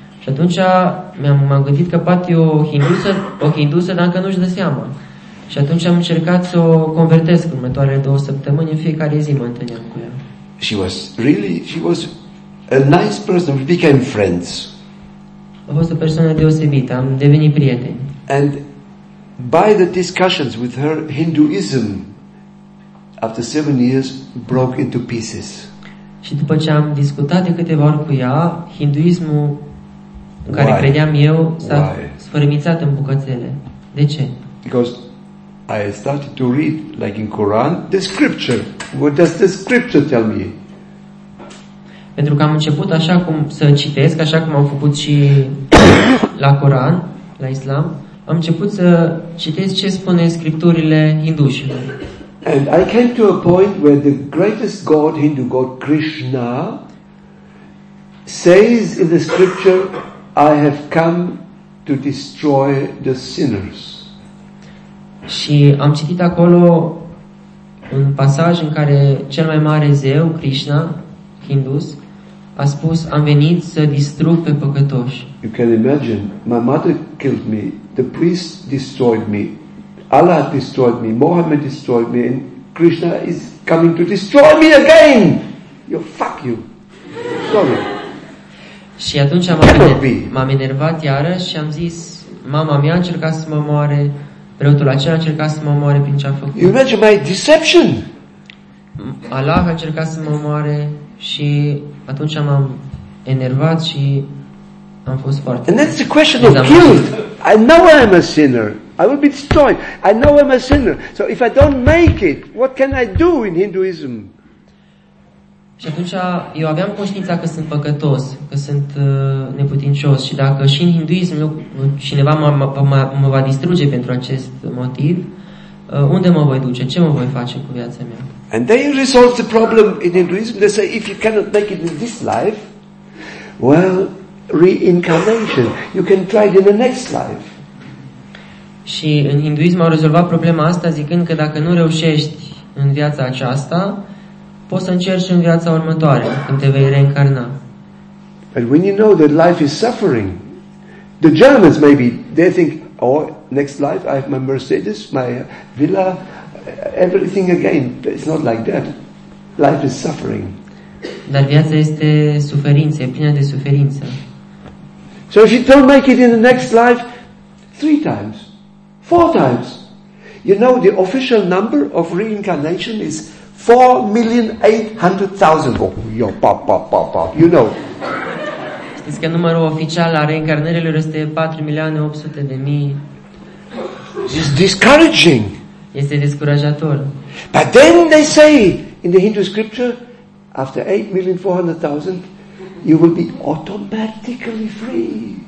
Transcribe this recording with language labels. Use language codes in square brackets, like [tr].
[ro] Și atunci m-am gândit că poate e o hindusă, dar încă nu-și dă seama. Și atunci am încercat să o convertesc în următoarele 2 săptămâni, în fiecare zi mă întâlneam cu ea. [en] She was really, she was a nice person, we became friends. [ro] A fost o persoană deosebită, am devenit prieteni. [en] And by the discussions with her, Hinduism, after 7 years, broke into pieces. [ro] Și după ce am discutat de câteva ori cu ea, hinduismul în care [en] Why? [ro] Credeam eu s-a sfărâmițat în bucățele. De ce? [en] Because I started to read, like in Quran, the scripture. What does the scripture tell me? [ro] Pentru că am început așa cum să citesc, așa cum am făcut și la Quran, la Islam, am început să citesc ce spune scripturile hindușilor. [en] And I came to a point where the greatest God, Hindu God, Krishna, says in the scripture, I have come to destroy the sinners. [ro] Și am citit acolo un pasaj în care cel mai mare zeu, Krishna, hindus, a spus, am venit să distrug pe păcătoși. [en] You can imagine, my mother killed me, the priest destroyed me, Allah destroyed me, Mohammed destroyed me, and Krishna is coming to destroy me again! You fuck you! Sorry. [ro] Și atunci m-am enervat iarăși și am zis, mama mea a încercat să mă moare, preotul acela a încercat să mă moare prin ce a făcut. [en] You imagine my deception! [ro] Allah a încercat să mă moare și atunci m-am enervat și am fost foarte... [en] And that's the question of guilt! I know I'm a sinner! I will be destroyed! I know I'm a sinner! So if I don't make it, what can I do in Hinduism? [ro] Și atunci eu aveam conștiința că sunt păcătos, că sunt neputincios și dacă și în hinduism cineva mă va distruge pentru acest motiv, unde mă voi duce? Ce mă voi face cu viața mea? [en] And they resolve the problem in Hinduism. They say, if you cannot make it in this life, well, reincarnation. You can try it in the next life. [ro] Și în hinduism au rezolvat problema asta zicând că dacă nu reușești în viața aceasta, poți să încerci în viața următoare, când te vei reîncarna. [en] But when you know that life is suffering, the Germans maybe, they think, oh, next life I have my Mercedes, my villa, everything again. It's not like that. Life is suffering. [ro] Dar viața este suferință, e plină de suferință. [en] So if you don't make it in the next life, three times, four times. You know, the official number of reincarnation is 4,800,000. Oh, yo, pop, pop, pop, pop. You know. [ro] Știți că numărul oficial a reîncarnărilor este 4,800,000. [en] It's discouraging. [ro] Este descurajator. [en] But then they say in the Hindu scripture, after 8,400,000, you will be automatically free.